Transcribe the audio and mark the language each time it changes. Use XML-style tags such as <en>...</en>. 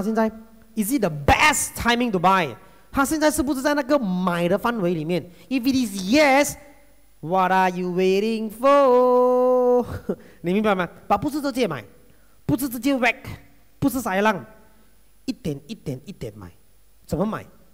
<zh>现在</zh> <en>is it the best timing to buy？</en> <zh>它现在是不是在那个买的范围里面？</zh> <en>If it is yes， what are you waiting for？</en> <zh>你明白吗？把不是直接买，不是直接 whack， 不是塞浪。一点一点一点买，怎么买？</zh>